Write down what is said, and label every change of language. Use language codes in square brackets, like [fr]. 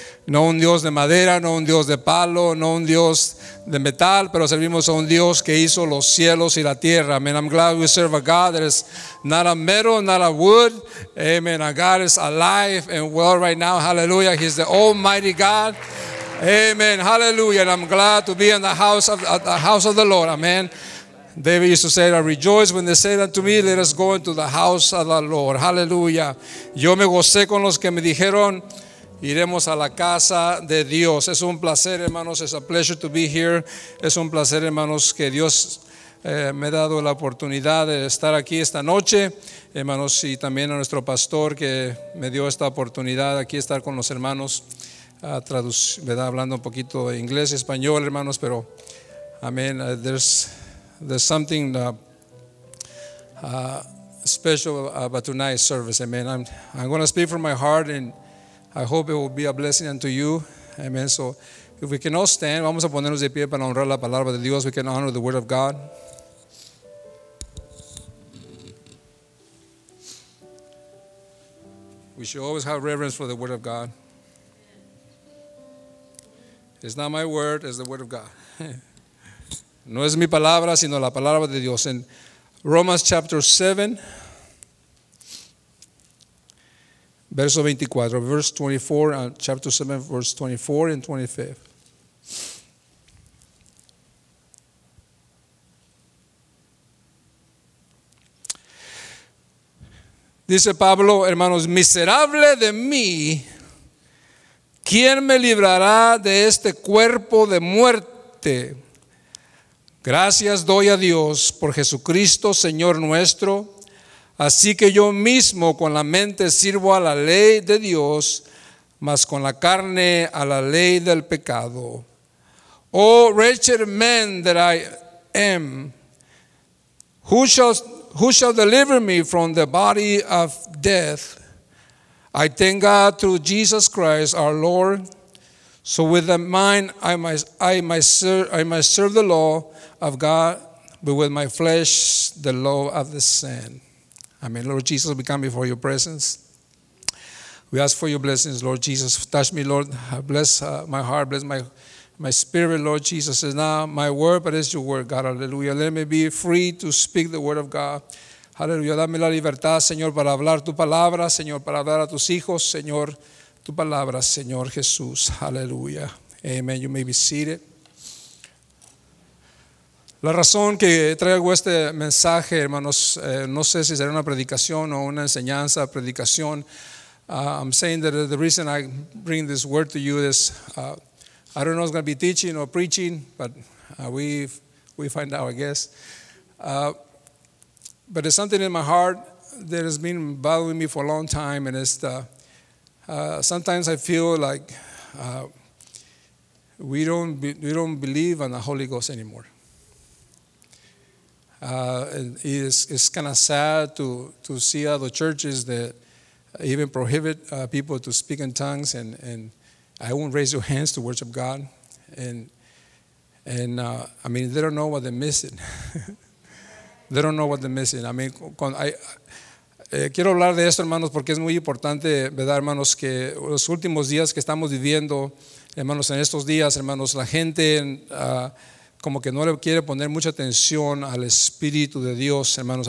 [es] No un Dios de madera, no un Dios de palo, no un Dios de metal, pero servimos a un Dios que hizo los cielos y la tierra. Amen. [en] I'm glad we serve a God that is not a metal, not a wood. Amen. A God is alive and well right now. Hallelujah. He's the Almighty God. Amen. Hallelujah. And I'm glad to be in the house of the Lord. Amen. David used to say, I rejoice when they said unto me, let us go into the house of the Lord. Hallelujah. [es] Yo me gocé con los que me dijeron, iremos a la casa de Dios. Es un placer, hermanos. [en] It's a pleasure to be here. [es] Es un placer, hermanos, que Dios me ha dado la oportunidad de estar aquí esta noche. Hermanos, y también a nuestro pastor que me dio esta oportunidad aquí estar con los hermanos. Hablando un poquito de inglés y español, hermanos, pero amén. [en] There's something special about tonight's service. Amen. I'm going to speak from my heart, and I hope it will be a blessing unto you. Amen. So, if we can all stand, [es] vamos a ponernos de pie para honrar la palabra de Dios. [en] We can honor the word of God. We should always have reverence for the word of God. It's not my word, it's the word of God. [es] No es mi palabra, sino la palabra de Dios. [en] In Romans chapter 7, chapter 7, verse 24 and 25. [es] Dice Pablo, hermanos, miserable de mí, ¿quién me librará de este cuerpo de muerte? Gracias doy a Dios por Jesucristo, Señor nuestro. Así que yo mismo con la mente sirvo a la ley de Dios, mas con la carne a la ley del pecado. [en] Oh, wretched man that I am, who shall deliver me from the body of death? I thank God through Jesus Christ our Lord. So with the mind I must serve the law of God, but with my flesh the law of the sin. Amen. Lord Jesus, we come before your presence. We ask for your blessings, Lord Jesus. Touch me, Lord. Bless my heart. Bless my spirit, Lord Jesus. It's not my word, but it's your word, God. Hallelujah. Let me be free to speak the word of God. Hallelujah. [es] Dame la libertad, Señor, para hablar tu palabra, Señor, para hablar a tus hijos, Señor, tu palabra, Señor Jesús. Hallelujah. Amen. [en] You may be seated. [es] La razón que traigo este mensaje, hermanos, no sé si será una predicación o una enseñanza, predicación. [en] I'm saying that the reason I bring this word to you is, I don't know if it's going to be teaching or preaching, but we find out, I guess. But there's something in my heart that has been bothering me for a long time, and it's sometimes I feel like we don't believe in the Holy Ghost anymore. It's kind of sad to see other churches that even prohibit people to speak in tongues, and I won't raise your hands to worship God, and I mean, they don't know what they're missing. They don't know what they're missing. I mean, [es] quiero hablar de esto, hermanos, porque es muy importante, ¿verdad, hermanos? Que los últimos días que estamos viviendo, hermanos, en estos días, hermanos, la gente como que no le quiere poner mucha atención al Espíritu de Dios, hermanos.